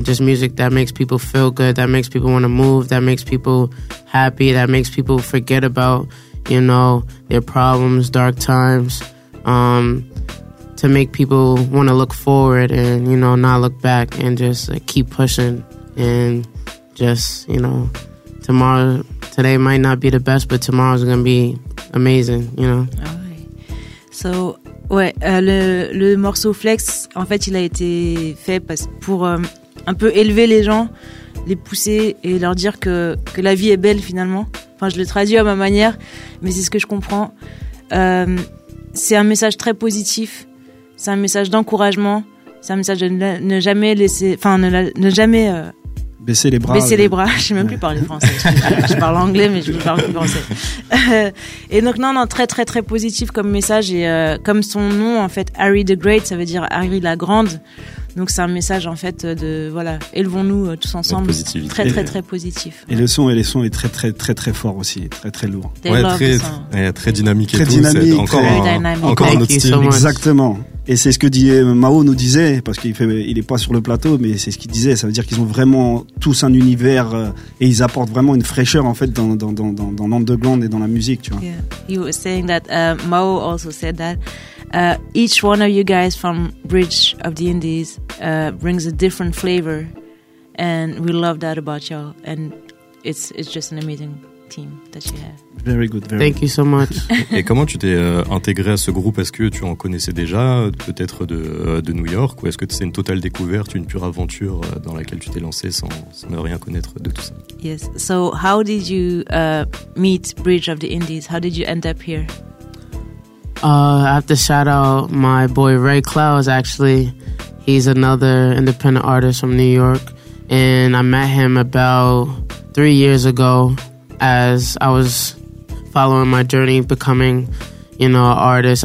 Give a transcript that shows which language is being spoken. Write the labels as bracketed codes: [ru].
[en] Just music that makes people feel good, that makes people want to move, that makes people happy, that makes people forget about, you know, their problems, dark times, to make people want to look forward and, you know, not look back and just like, keep pushing and just, you know, today might not be the best, but tomorrow's going to be amazing, you know. [fr] So, ouais, le morceau Flex, en fait, il a été fait pour un peu élever les gens, les pousser et leur dire que la vie est belle finalement. Enfin, je le traduis à ma manière, mais c'est ce que je comprends. C'est un message très positif, c'est un message d'encouragement, c'est un message de ne jamais baisser les bras. Je sais même plus parler français. Je parle anglais, mais je ne parle plus français. Et donc non, très très très positif comme message et comme son nom en fait, Harry the Great, ça veut dire Harry la Grande. Donc c'est un message en fait de voilà, élevons-nous tous ensemble, très très très positif. Et le son, et les sons est très très très très fort aussi, très très lourd. Ouais, très très dynamique, très dynamique, encore un autre style. Exactement. Et c'est ce que Mao nous disait, parce qu'il fait, il est pas sur le plateau, mais c'est ce qu'il disait. Ça veut dire qu'ils ont vraiment tous un univers et ils apportent vraiment une fraîcheur en fait dans l'underground et dans la musique, tu vois. [en] Yeah. He was saying that Mao also said that each one of you guys from Bridge of the Indies brings a different flavor, and we love that about y'all. And it's just an amazing team that you have. Very good. Very Thank good. You so much. [fr] Et comment tu t'es intégré à ce groupe? Est-ce que tu en connaissais déjà, peut-être de New York, ou est-ce que c'est une totale découverte, une pure aventure dans laquelle tu t'es lancé sans ne rien connaître de tout ça? [en] Yes. So how did you meet Bridge of the Indies? How did you end up here? I have to shout out my boy Ray Clouds, actually. He's another independent artist from New York. And I met him about 3 years ago as I was following my journey becoming, you know, an artist.